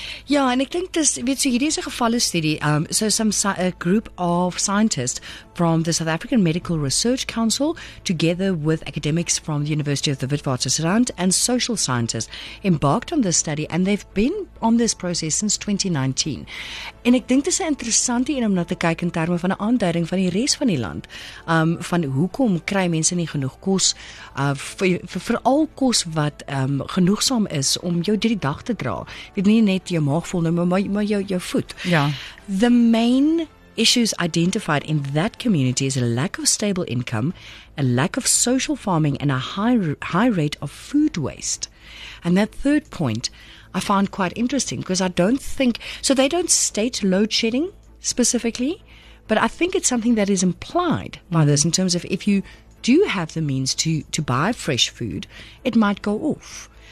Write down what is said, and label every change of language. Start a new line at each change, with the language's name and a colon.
Afrikaans: Ja, en ek dink dis, weet so, hierdie is 'n gevalle studie.
English: A group of scientists from the South African Medical Research Council, together with academics from the University of the Witwatersrand and social scientists, embarked on this study, and they've been on this process since 2019.
Afrikaans: En ek dink dis 'n interessante een om na te kyk in terme van 'n aanduiding van die res van die land, van hoekom kry mense nie genoeg kos, vooral kos wat genoegsaam is om jou die dag te dra. Dit nie net jou maag vol nou, maar jou voet. Ja.
English: The main issues identified in that community is a lack of stable income, a lack of social farming, and a high rate of food waste. And that third point I found quite interesting, because I don't think, so they don't state load shedding specifically, but I think it's something that is implied by this in terms of if you do have the means to buy fresh food, it might go off.